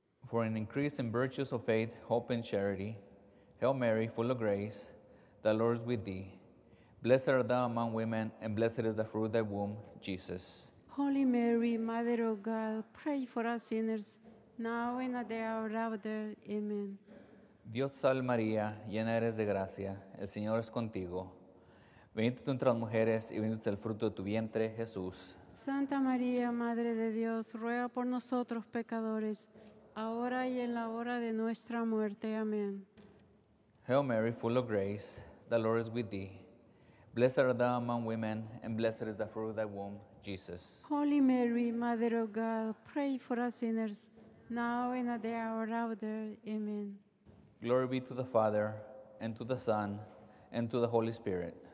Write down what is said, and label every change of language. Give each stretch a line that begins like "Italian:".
English: For an increase in virtues of faith, hope, and charity, Hail Mary, full of grace, the Lord is with thee. Blessed art thou among women, and blessed is the fruit of thy womb, Jesus. Holy Mary, Mother of God, pray for us sinners, now and at the hour of our death. Amen.
Spanish: Dios salve María, llena eres de gracia, el Señor es contigo. Bendita tú entre las mujeres y bendito es el fruto de tu vientre, Jesús. Santa María, Madre de Dios, ruega por nosotros pecadores, ahora y en la hora de nuestra muerte. Amén.
English: Hail Mary, full of grace, the Lord is with thee. Blessed art thou among women, and blessed is the fruit of thy womb, Jesus. Holy Mary, Mother of God, pray for us sinners, now and at the hour of our death. Amen. Glory be to the Father, and to the Son, and to the Holy Spirit.